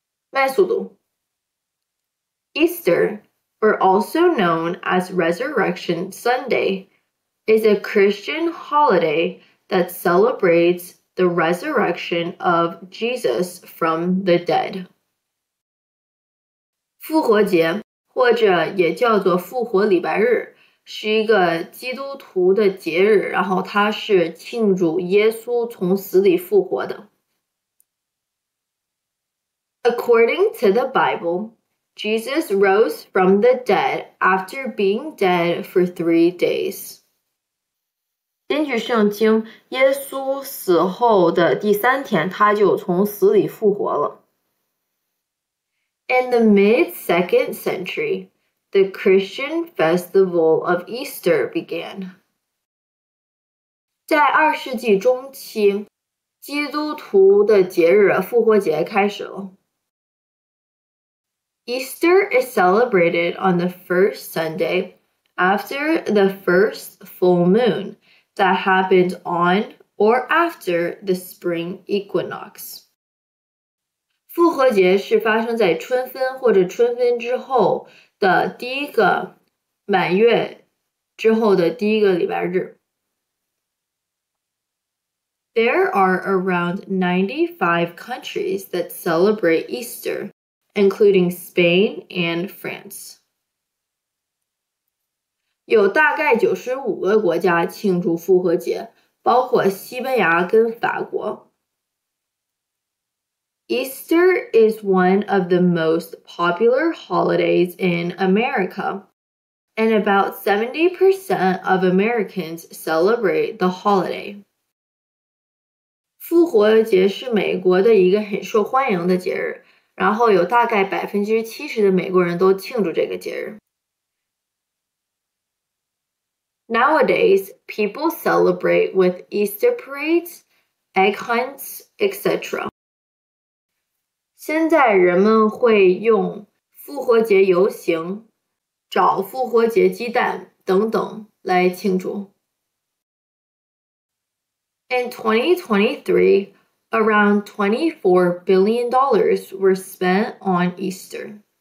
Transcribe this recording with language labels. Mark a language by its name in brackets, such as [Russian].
[Chinese] 慢速读。 [English] Easter, or also known as Resurrection Sunday, is a Christian holiday that celebrates the resurrection of Jesus from the dead. [Chinese] 复活节或者也叫做复活礼拜日是一个基督徒的节日然后它是庆祝耶稣从死里复活的。 [English] According to the Bible, Jesus rose from the dead after being dead for 3 days. [Chinese] 根据圣经耶稣死后的第三天他就从死里复活了。 [English] In the mid-2nd century, the Christian festival of Easter began. [Chinese] 在二世纪中期，基督徒的节日复活节开始了。 [English] Easter is celebrated on the first Sunday after the first full moon that happened on or after the spring equinox. [Chinese] 复活节是发生在春分或者春分之后的第一个满月之后的第一个礼拜日。 [English] There are around 95 countries that celebrate Easter, including Spain and France. [Chinese] 有大概95个国家庆祝复活节，包括西班牙跟法国。 [English] Easter is one of the most popular holidays in America, and about 70% of Americans celebrate the holiday. [Chinese] 复活节是美国的一个很受欢迎的节日，然后有大概70%的美国人都庆祝这个节日。 [English] Nowadays, people celebrate with Easter parades, egg hunts, etc. [Chinese] 现在人们会用复活节游行、找复活节鸡蛋等等来庆祝。 [English] In 2023, around $24 billion were spent on Easter.